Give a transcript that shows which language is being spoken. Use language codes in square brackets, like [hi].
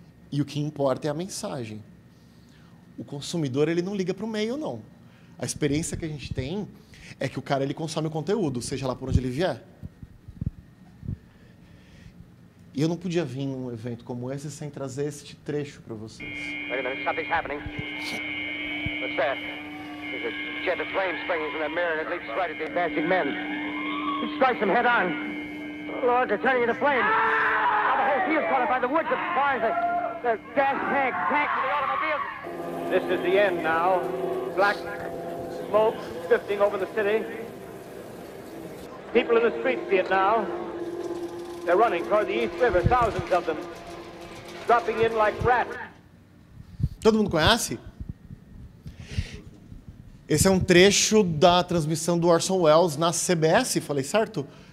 [pt] E o que importa é a mensagem. O consumidor, ele não liga para o meio, não. A experiência que a gente tem é que o cara, ele consome o conteúdo, seja lá por onde ele vier. E eu não podia vir num evento como esse sem trazer este trecho para vocês. [en] Wait a minute, something's happening. What's that? There's a jet of flame springing from that mirror and it leaps right at the advancing men. It strikes them head on. Lord, they're turning into flames. Now the whole field's caught up by the woods, the barns, the gas tank for the automobiles. This is the end now. Black smoke drifting over the city. People in the streets see it now. They're running toward the East River, thousands of them, dropping in like rats. [pt] Todo mundo conhece? Esse é um trecho da transmissão do Orson Welles na CBS, falei certo?